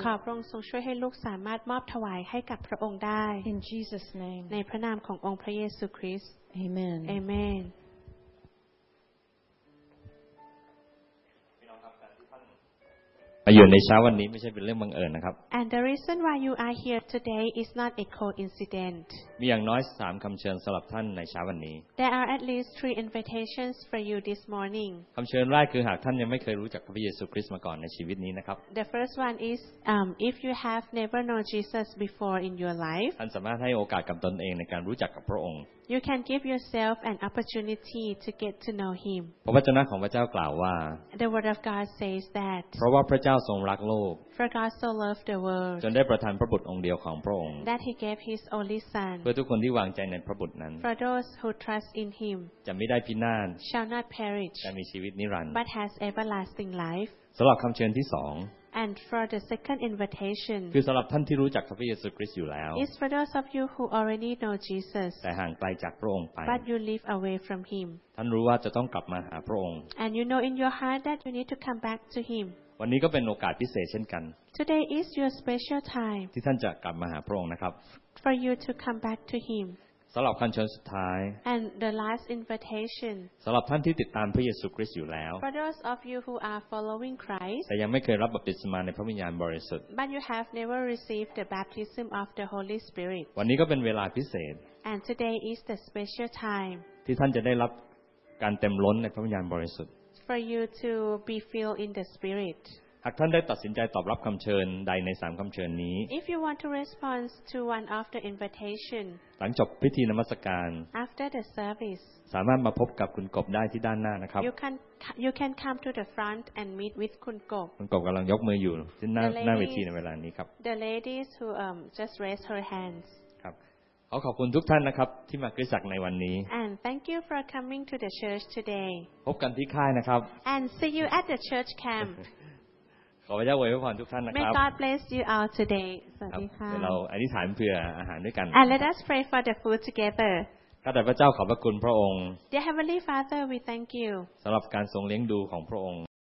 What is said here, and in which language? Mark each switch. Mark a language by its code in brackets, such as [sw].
[th] ขอพระองค์ทรงช่วยให้ลูกสามารถมอบถวายให้กับพระองค์ได้ [en] In Jesus name. [th] ในพระนามขององค์พระเยซูคริสต์ [en] Amen. Amen. [th] มาอยู่ในเช้าวันนี้ไม่ใช่เป็นเรื่องบังเอิญนะครับ [en] And the reason why you are here today is not a coincidence [th] มีอย่างน้อย3คําเชิญสําหรับท่านในเช้าวันนี้ [en] There are at least 3 invitations for you this morning [th] คําเชิญแรกคือหากท่านยังไม่เคยรู้จักพระเยซูคริสต์มาก่อนในชีวิตนี้นะครับ [en] The first one is if you have never known Jesus before in your life [th] ท่านสามารถให้โอกาสกับตนเองในการรู้จักกับพระองค์ [en] You can give yourself an opportunity to get to know him [th] พระวจนะของพระเจ้ากล่าวว่า [en] The word of God says that [th] เพราะว่าพระเจ้าทรงรักโลก [en] For God so loved the world [th] จนได้ประทานพระบุตรองค์เดียวของพระองค์ [en] That he gave his only son [th] เพื่อทุกคนที่วางใจในพระบุตรนั้น [en] For those who trust in him [th] จะไม่ได้พินาศ [en] Shall not perish [th] จะมีชีวิตนิรันดร์ [en] But has everlasting life [th] สําหรับคําเชิญที่2 [en] And for the second invitation [th] คือสําหรับท่านที่รู้จักพระเยซูคริสต์อยู่แล้ว [en] Is for those of you who already know Jesus [th] แต่ห่างไกลจากพระองค์ไป [en] But you live away from him [th] ท่านรู้ว่าจะต้องกลับมาหาพระองค์ [en] And you know in your heart that you need to come back to him [th] วันนี้ก็เป็นโอกาสพิเศษเช่นกัน [en] Today is your special time [th] ที่ท่านจะกลับมาหาพระองค์นะครับ [en] For you to come back to him [th] สำหรับคำเชิญสุดท้าย [en] And the last invitation [th] สำหรับท่านที่ติดตามพระเยซูคริสต์อยู่แล้ว [en] For those of you who are following Christ [th] แต่ยังไม่เคยรับบัพติศมาในพระวิญญาณบริสุทธิ์ [en] But you have never received the baptism of the Holy Spirit [th] วันนี้ก็เป็นเวลาพิเศษ [en] And today is the special time [th] ที่ท่านจะได้รับการเต็มล้นในพระวิญญาณบริสุทธิ์ [en] For you to be filled in the Spirit. [th] หากท่านได้ตัดสินใจตอบรับคำเชิญใดในสามคำเชิญนี้ [en] If you want to respond to one of the invitation, [th] หลังจบพิธีนมัสการ [en] After the service, [th] สามารถมาพบกับคุณกบได้ที่ด้านหน้านะครับ [en] You can come to the front and meet with คุณกบ [th] คุณกบกำลังยกมืออยู่ที่หน้าเวทีในเวลานี้ครับ [en] The ladies who just raise her hands. [th] ขอขอบคุณทุกท่านนะครับที่มาคริสตจักรในวันนี้ [en] And thank you for coming to the church today [th] พบกันที่ค่ายนะครับ [en] And see you at the church camp [th] ขอพระเจ้าอวยพรทุกท่านนะครับ [en] May God bless you all today [th] สวัสดีค่ะ เราอธิษฐานเพื่ออาหารด้วยกัน [en] And let us pray for the food together [th] ข้าแต่พระเจ้าขอบพระคุณพระองค์ [en] Dear Heavenly Father we thank you [th] สำหรับการทรงเลี้ยงดูของพระองค์